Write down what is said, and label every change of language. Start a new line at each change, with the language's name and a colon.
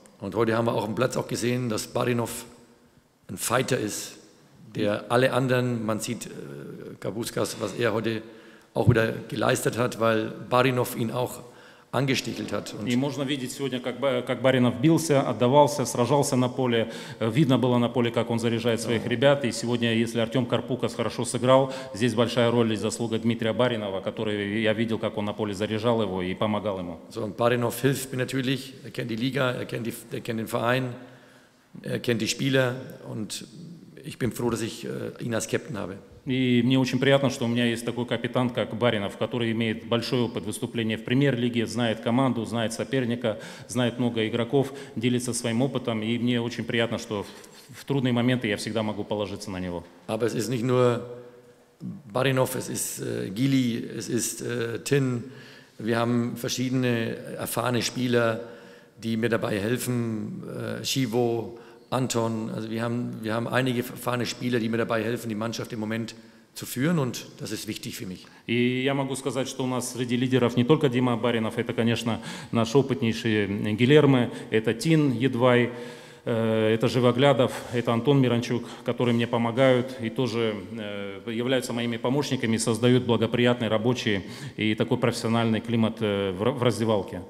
German: Und heute haben wir auch im Platz auch gesehen, dass Barinov ein Fighter ist, der alle anderen, man sieht Gabuskas, was er heute auch wieder geleistet hat, weil Barinov ihn auch angestichelt hat.
Russian: Und можно видеть сегодня, как Баринов бился, отдавался, сражался на поле. Видно было на поле, как он заряжает своих ребят. И сегодня, если Артем Карпукас хорошо сыграл, здесь большая роль и заслуга Дмитрия Баринова, который я видел, как он на поле заряжал его и помогал ему.
German: So, Баринов hilft mir natürlich, er kennt die Liga, er kennt den Verein. Er kennt die Spieler und ich bin froh, dass ich ihn als Captain habe.
Russian: И мне очень приятно, что у меня есть такой капитан, как Баринов, который имеет большой опыт выступления в премьер-лиге, знает команду, знает соперника, знает много игроков, делится своим опытом. И мне очень приятно, что в трудные моменты я всегда могу положиться на него.
German: Aber es ist nicht nur Баринов, es ist Gili, es ist Tin. Wir haben verschiedene erfahrene Spieler, die mir dabei helfen, Shivo, Anton, also wir haben einige erfahrene Spieler, die mir dabei helfen, die Mannschaft im Moment zu führen und das ist wichtig für mich.
Russian: И я могу сказать, что у нас среди лидеров не только Дима Баринов, это, конечно, наш опытнейший Гилермо, это Тин, Едвай, это Живоглядов, это Антон Миранчук, которые мне помогают и тоже являются моими помощниками, создают благоприятный рабочий и такой профессиональный климат в раздевалке.